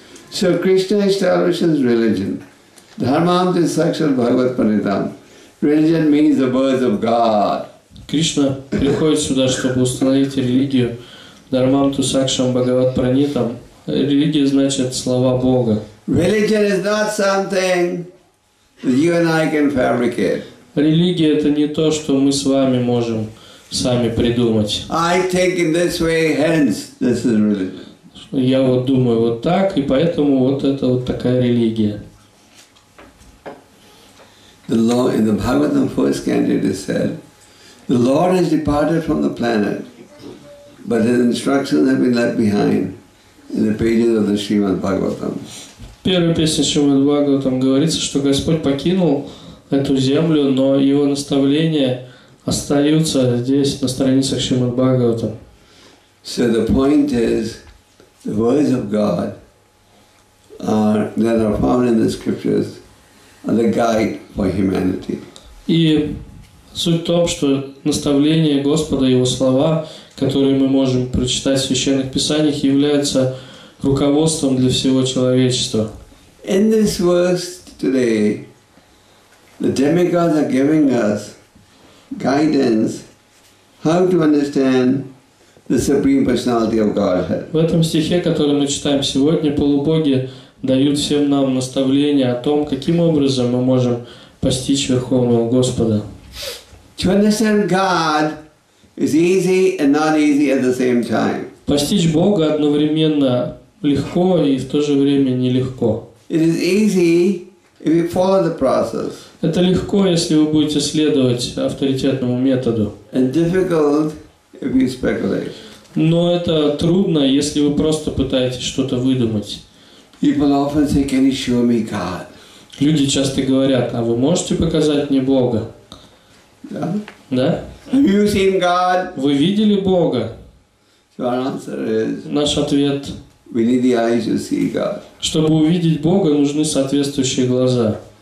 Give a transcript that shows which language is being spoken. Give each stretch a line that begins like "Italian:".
English: So Krishna establishes religion.
Sanskrit: Dharmam is Sakshat Bhagavat Panitam.
English: Religion means the birth of God.
Russian: Krishna приходит сюда, чтобы установить религию.
Sanskrit: Dharmam to Sakshat Bhagavat Panitam.
Russian: Религия значит слова Бога.
English: Religion is not something that you and I can fabricate.
Russian: Религия это не то, что мы с вами можем сами придумать.
English: I think in this way, hence this is religion.
Russian: Я вот думаю вот так, и поэтому вот это вот такая религия.
English: The Lord, in the Bhagavatam first canto it is said, the Lord has departed from the planet, but his instructions have been left behind in the pages of the Srimad Bhagavatam.
Russian: В первой песне Шримад Бхагаватам говорится, что Господь покинул эту землю, но его наставления остаются здесь, на страницах Шримад Бхагаватам.
English: So the point is, the words of God that are found in the scriptures are the guide for humanity.
Russian: И суть в том, что наставления Господа, Его слова, которые мы можем прочитать в священных писаниях, являются руководством для всего человечества.
English: In this verse today, the demigods are giving us guidance how to understand the Supreme Personality of Godhead.
Russian: В этом стихе, который мы читаем сегодня, полубоги дают всем нам наставление о том, каким образом мы можем постичь Верховного Господа.
English: To understand God is easy and not easy at the same time.
Russian: Постичь Бога одновременно легко и в то же время нелегко.
English: It is easy if you follow the process.
Russian: Это легко, если вы будете следовать авторитетному методу.
English: And difficult if you speculate.
Russian: Но это трудно, если вы просто пытаетесь что-то выдумать.
English: People often say, can you show me God?
Russian: Люди часто говорят, а вы можете показать мне Бога?
English: Yeah.
Russian: Да?
English: Have you seen God?
Russian: Вы видели Бога?
English: So our answer is,
Russian: наш ответ,
English: we need the eyes to see God.
Russian: Чтобы увидеть Бога, нужны соответствующие глаза.